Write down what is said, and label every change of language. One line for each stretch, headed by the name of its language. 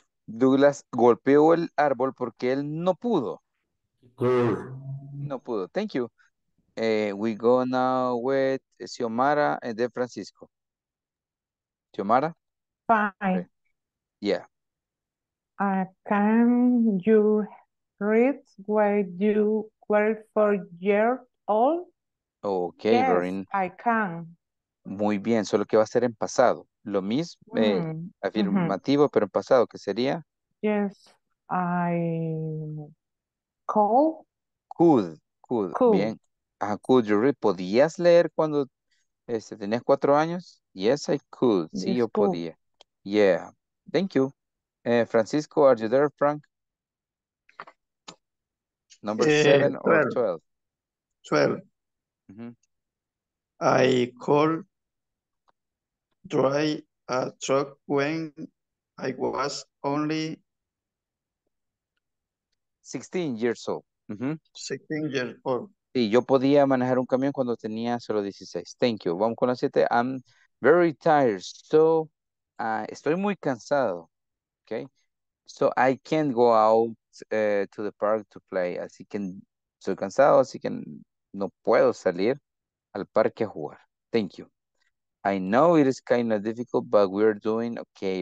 Spanish: Douglas golpeó el árbol porque él no pudo.
English: Good.
Spanish: No pudo.
English: Thank you. We go now with Xiomara and then Francisco. Xiomara? Fine. Okay. Yeah. Can you read where you were 4 years old? Okay, yes, Lauren. I can.
Spanish: Muy bien, solo que va a ser en pasado. Lo mismo, afirmativo, pero en pasado, ¿qué sería?
English: Yes, I could. Bien. Could you read?
Spanish: ¿Podías leer cuando tenías 4 años?
English: Yes, I could.
Spanish: Sí, yo podía.
English: Yeah, thank you. Francisco, are you there, Frank? Number 7 or 12? 12. I call dry a truck when I was only 16 years old. 16 years old.
Spanish: Sí, yo podía manejar un camión cuando tenía solo 16.
English: Thank you.
Spanish: Vamos con la 7.
English: I'm very tired. So,
Spanish: estoy muy cansado.
English: Okay. So, I can't go out to the park to play.
Spanish: Así que, estoy cansado, así que no puedo salir al parque a jugar.
English: Thank you. I know it is kind of difficult, but we're doing okay.